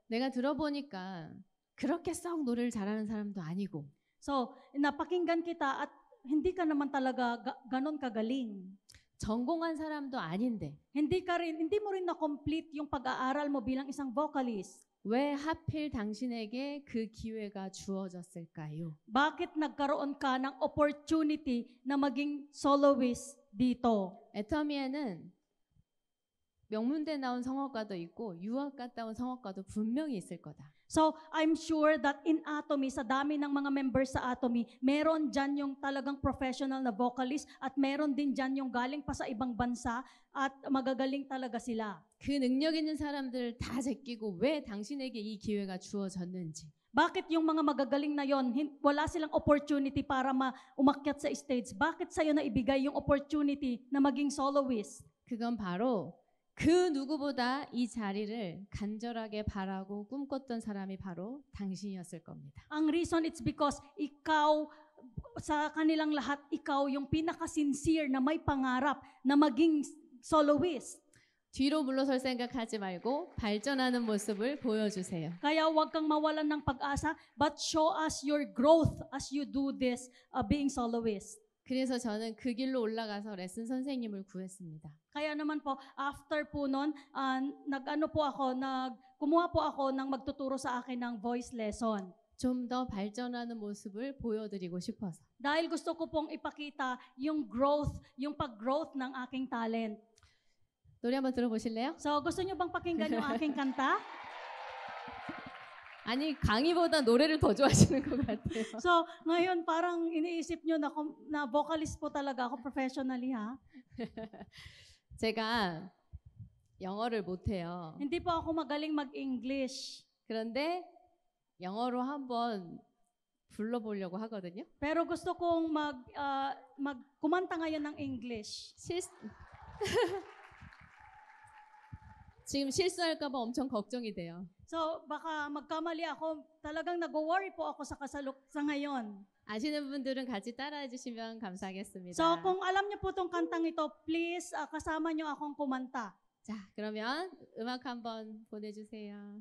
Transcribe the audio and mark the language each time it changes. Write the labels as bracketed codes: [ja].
[ko] 내가 들어보니까 그렇게 썩 노래를 잘하는 사람도 아니고. [tl] So, 나파킹간 kita at hindi ka naman talaga ganon kagaling. [ko] 전공한 사람도 아닌데. [tl] Hindi ka rin, hindi mo rin na complete yung pag-aaral mo bilang isang vocalist. [ko] 왜 하필 당신에게 그 기회가 주어졌을까요? [tl] Bakit nagkaroon ka ng opportunity na maging soloist dito? [ko] Atomy에는 명문대 나온 성악가도 있고 유학 갔다 온 성악가도 분명히 있을 거다. [en] So I'm sure that in Atomy, [tl] sa dami ng mga members sa Atomy, meron dyan yung talagang professional na vocalist at meron din dyan yung galing pa sa ibang bansa at magagaling talaga sila. [ko] 그 능력 있는 사람들을 다 제끼고 왜 당신에게 이 기회가 주어졌는지. [tl] Bakit yung mga magagaling na yon, wala silang opportunity para umakyat sa stage? Bakit sa'yo na ibigay yung opportunity na maging soloist? [ko] 그건 바로 그 누구보다 이 자리를 간절하게 바라고 꿈꿨던 사람이 바로 당신이었을 겁니다. [tl] Ang reason [en] it's because [tl] ikaw, sa kanilang lahat, ikaw yung pinaka-sincere na may pangarap na maging soloist. [ko] 뒤로 물러설 생각하지 말고 발전하는 모습을 보여주세요. 그래서 [tl] huwag kang mawalan ng pag-asa, [en] but show us your growth as you do this being soloist. [ko] 그래서 저는 그 길로 올라가서 레슨 선생님을 구했습니다. [tl] 그래서 나만 po after po noon, nag-ano po ako, nag-kumuha po ako ng magtuturo sa akin ng voice lesson. [ko] 좀 더 발전하는 모습을 보여드리고 싶어서. [tl] Dahil gusto ko pong ipakita yung growth, yung pag-growth ng aking talent. [ko] 노래 한번 들어보실래요? [tl] So, gusto nyo bang pakinggan yung aking kanta? [ko] 아니, 강의보다 노래를 더 좋아하시는 것 같아요. [tl] So, ngayon parang iniisip nyo na vocalist po talaga ako, professionally ha? [ko] 제가 영어를 못해요. [tl] Hindi po ako magaling mag-English. [ko] 그런데 영어로 한번 불러보려고 하거든요. [tl] Pero gusto kong mag-kumanta ngayon ng English. [ko] 지금 실수할까 봐 엄청 걱정이 돼요. [tl] So, baka magkamali ako. Talagang nag-worry po ako sa ngayon. [ko] 아시는 분들은 같이 따라해 주시면 감사하겠습니다. [tl] So, kung alam niyo po tong kantang ito, please kasama niyo akong kumanta. [ko] 자, 그러면 음악 한번 보내주세요.